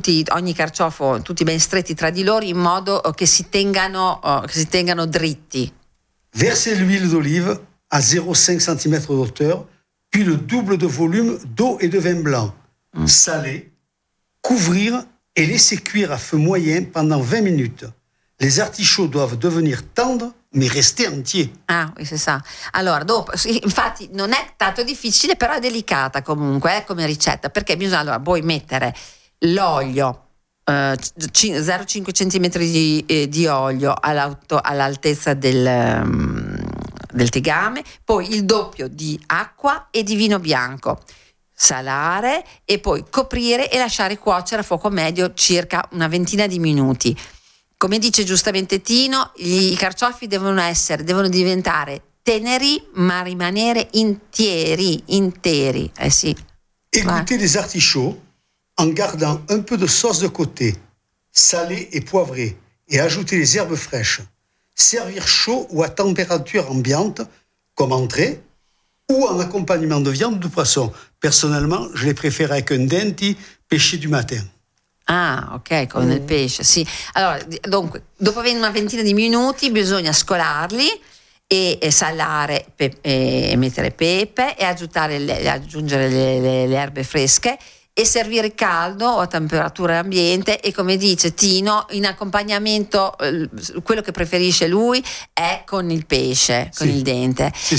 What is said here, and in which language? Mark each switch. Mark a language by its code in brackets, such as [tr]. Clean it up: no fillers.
[it] Ogni carciofo tutti ben stretti tra di loro in modo che si tengano dritti. [fr] Verser l'huile d'olive à 0,5 cm de hauteur, puis le double de volume d'eau et de vin blanc. Saler, couvrir et laisser cuire à feu moyen pendant 20 minutes. Les artichauts doivent devenir tendres mais rester entiers. Ah, oui, c'est ça. [it] Allora, dopo, infatti, non è tanto difficile, però è delicata comunque come ricetta, perché bisogna, allora, puoi mettere l'olio, 0,5 cm di olio all'altezza del tegame, poi il doppio di acqua e di vino bianco. Salare e poi coprire e lasciare cuocere a fuoco medio circa una ventina di minuti. Come dice giustamente Tino, i carciofi devono diventare teneri, ma rimanere interi. Sì. [fr] E goûter les artichauts en gardant un peu de sauce de côté, salé et poivré, et ajouter les herbes fraîches. Servir chaud ou à température ambiante, comme entrée, ou en accompagnement de viande ou de poisson. Personnellement, je les préfère avec un denti pêché du matin. [it] Ah, ok, con il pesce, sì. Allora, dunque, dopo una ventina di minuti bisogna scolarli e salare e mettere pepe e aggiungere le erbe fresche e servire caldo o a temperatura ambiente e, come dice Tino, in accompagnamento, quello che preferisce lui è con il pesce, con il dente.